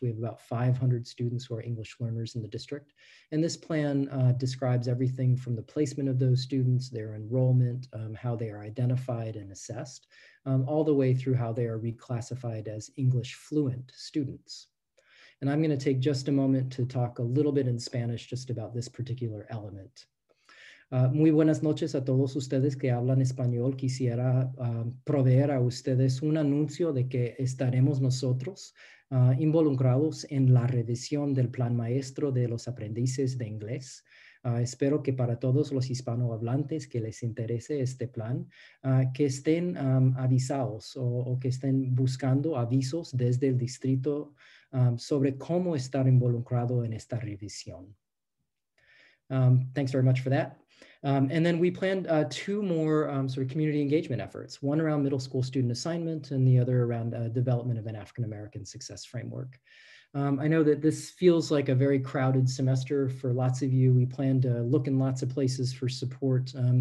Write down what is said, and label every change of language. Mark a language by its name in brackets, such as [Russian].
[English] We have about 500 students who are English learners in the district. And this plan describes everything from the placement of those students, their enrollment, how they are identified and assessed, all the way through how they are reclassified as English fluent students. And I'm going to take just a moment to talk a little bit in Spanish just about this particular element. [Spanish] Muy buenas noches a todos ustedes que hablan español. Quisiera proveer a ustedes un anuncio de que estaremos nosotros involucrados en la revisión del plan maestro de los aprendices de inglés. Espero que para todos los hispanohablantes que les interese este plan, que estén avisados o que estén buscando avisos desde el distrito sobre cómo estar involucrado en esta revisión. [English] Thanks very much for that. And then we planned 2 more sort of community engagement efforts, one around middle school student assignment and the other around development of an African-American success framework. I know that this feels like a very crowded semester for lots of you. We plan to look in lots of places for support.